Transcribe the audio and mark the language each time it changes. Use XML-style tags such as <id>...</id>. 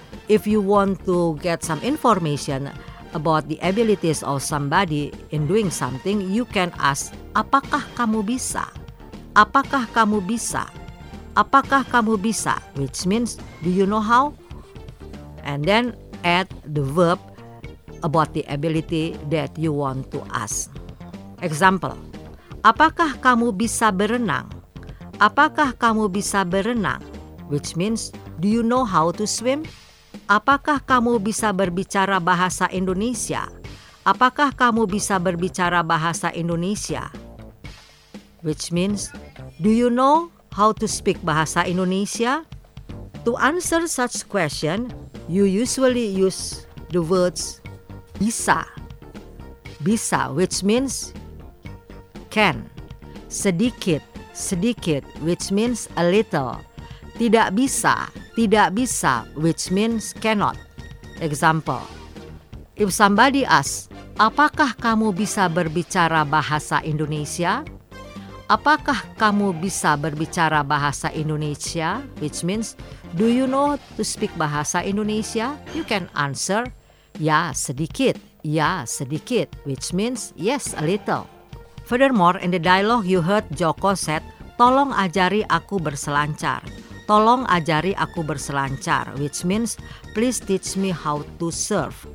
<en>If you want to get some information about the abilities of somebody in doing something, you can ask,</en> <id>apakah kamu bisa? Apakah kamu bisa? Apakah kamu bisa?</id> <en>Which means, do you know how? And then add the verb about the ability that you want to ask.</en> <id>Example, apakah kamu bisa berenang? Apakah kamu bisa berenang?</id> <en>Which means, do you know how to swim?</en> <id>Apakah kamu bisa berbicara bahasa Indonesia? Apakah kamu bisa berbicara bahasa Indonesia?</id> <en>Which means, do you know how to speak bahasa Indonesia? To answer such question, you usually use the words bisa. Bisa, which means can.</en> <id>Sedikit, sedikit,</id> <en>which means a little.</en> <id>Tidak bisa.</id> <en>Tidak bisa, which means cannot. Example, if somebody asks,</en> <id>apakah kamu bisa berbicara bahasa Indonesia? Apakah kamu bisa berbicara bahasa Indonesia?</id> <en>Which means, do you know to speak bahasa Indonesia? You can answer,</en> <id>ya sedikit. Ya sedikit,</id> <en>which means yes a little. Furthermore, in the dialogue you heard Joko said,</en> <id>tolong ajari aku berselancar. Tolong ajari aku berselancar,</id> <en>which means please teach me how to surf.</en>